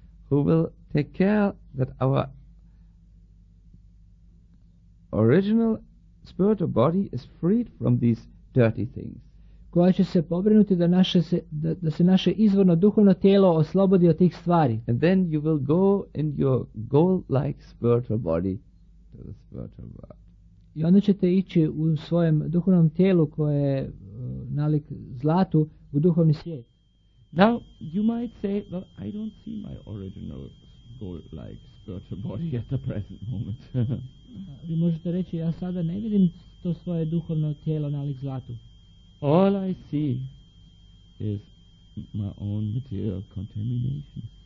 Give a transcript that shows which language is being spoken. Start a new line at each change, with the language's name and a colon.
English: Who will take care that our original spiritual body is freed from these dirty things.
Croatian: Koja će se pobrinuti da se naše izvorno duhovno tijelo oslobodi od tih stvari.
English: And then you will go in your gold-like spiritual body to the spiritual world.
Croatian: I onda ćete ići u svojem duhovnom tijelu koje je nalik zlatu u duhovni svijet.
English: Now you might say, well, I don't see my original gold-like spiritual body at the present moment.
Croatian: Vi možete reći, ja sada ne vidim to svoje duhovno tijelo nalik zlatu.
English: All I see is my own material contamination.